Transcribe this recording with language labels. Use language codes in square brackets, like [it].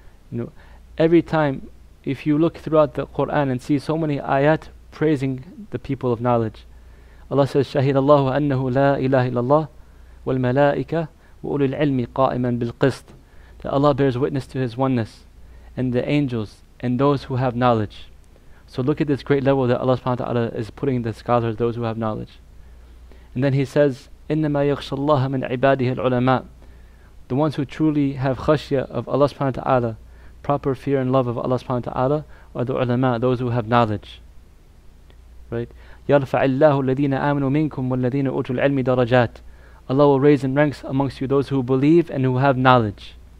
[en] You know, every time, if you look throughout the Quran and see so many ayat praising the people of knowledge, Allah says, [ar] شَهِدَ اللَّهُ أَنَّهُ لَا إِلَهَ إِلَّا اللَّهُ وَالْمَلَائِكَ وَأُولِي الْعِلْمِ قَائِمًا بِالْقِسْطِ. [en] That Allah bears witness to His oneness, and the angels, and those who have knowledge. So look at this great level that Allah subhanahu wa ta'ala is putting the scholars, those who have knowledge. And then he says, [ar] إِنَّمَا يَخْشَ اللَّهَ مِنْ عِبَادِهِ الْعُلَمَاءِ. [en] The ones who truly have khashya of Allah subhanahu wa ta'ala, proper fear and love of Allah subhanahu wa ta'ala, are the ulama, those who have knowledge. [ar] Right? يَرْفَعِ اللَّهُ الَّذِينَ آمَنُوا مِنْكُمْ وَالَّذِينَ أُوتُوا الْعِلْمِ دَرَجَاتٍ. [en] Allah will raise in ranks amongst you those who believe and who have knowledge.